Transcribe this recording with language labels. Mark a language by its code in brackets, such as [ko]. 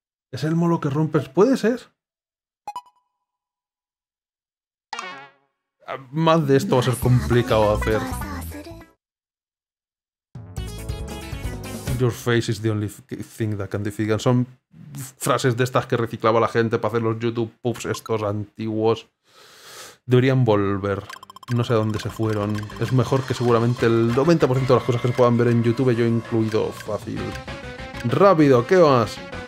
[es] Es el molo que rompes. ¿Puede ser? Más de esto va a ser complicado de hacer. [en] Your face is the only thing that can defeat. [es] Son frases de estas que reciclaba la gente para hacer los YouTube puffs estos antiguos. Deberían volver. No sé a dónde se fueron. Es mejor que seguramente el 90% de las cosas que se puedan ver en YouTube, yo incluido, fácil. ¡Rápido! ¿Qué más?